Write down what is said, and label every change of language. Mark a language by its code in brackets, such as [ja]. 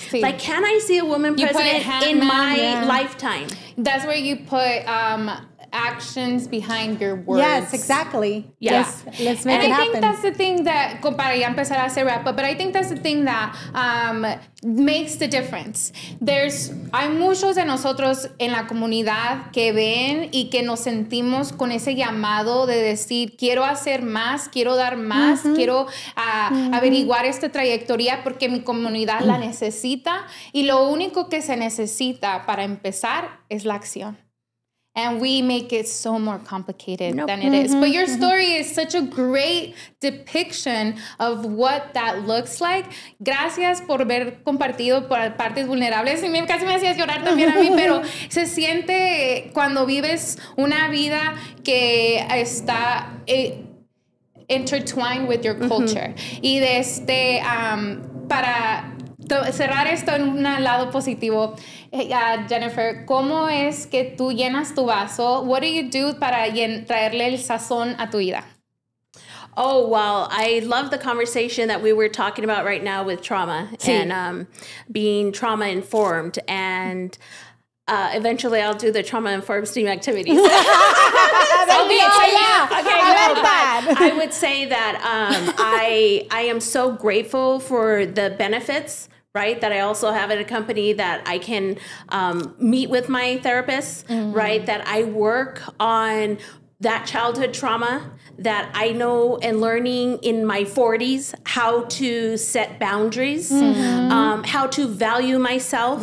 [en] Like, can I see a woman president in my lifetime? That's where you put actions behind your words. Yes, exactly. Yes. Let's make it happen. And I think that's the thing that, [es] para ya empezar a cerrar, [en] but I think that's the thing that makes the difference. [es] Hay muchos de nosotros en la comunidad que ven y que nos sentimos con ese llamado de decir, quiero hacer más, quiero dar más, quiero averiguar esta trayectoria porque mi comunidad la necesita. Y lo único que se necesita para empezar es la acción. [en] And we make it so more complicated than it is. But your story is such a great depiction of what that looks like. [es] Gracias por haber compartido por partes vulnerables. Y casi me hacías llorar también a mí, pero se siente cuando vives una vida que está [en] intertwined with your culture. [es] Y de este, para cerrar esto en un lado positivo, Jennifer, ¿cómo es que tú llenas tu vaso? [en] What do you do [es] para traerle el sazón a tu vida? [en] Oh, well, I love the conversation that we were talking about right now with trauma and being trauma-informed. And eventually I'll do the trauma-informed STEAM activities. I would say that I am so grateful for the benefits, right, that I also have at a company that I can meet with my therapist, right, that I work on that childhood trauma that I know and learning in my 40s, how to set boundaries, how to value myself.